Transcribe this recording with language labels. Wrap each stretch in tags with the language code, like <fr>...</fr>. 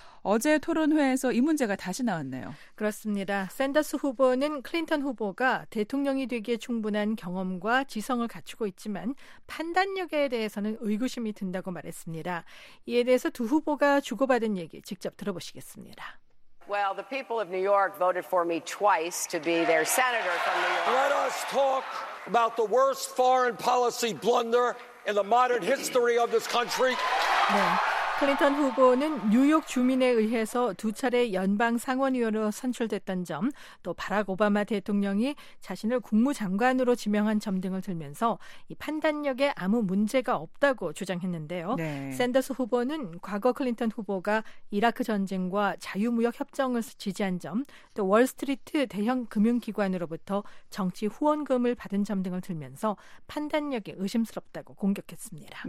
<ko>어제 토론회에서 이 문제가 다시 나왔네요. 그렇습니다. 샌더스 후보는 클린턴 후보가 대통령이 되기에 충분한 경험과 지성을 갖추고 있지만 판단력에 대해서는 의구심이 든다고 말했습니다. 이에 대해서 두 후보가 주고받은 얘기 직접 들어보시겠습니다.</ko> <en>Well, the people of New York voted for me twice to be their senator from New York. Let us talk about the worst foreign policy blunder in the modern history of this country.</en> <ko>네. 클린턴 후보는 뉴욕 주민에 의해서 두 차례 연방 상원의원으로 선출됐던 점, 또 바락 오바마 대통령이 자신을 국무장관으로 지명한 점 등을 들면서 이 판단력에 아무 문제가 없다고 주장했는데요. 네. 샌더스 후보는 과거 클린턴 후보가 이라크 전쟁과 자유무역협정을 지지한 점, 또 월스트리트 대형 금융기관으로부터 정치 후원금을 받은 점 등을 들면서 판단력이 의심스럽다고 공격했습니다.</ko>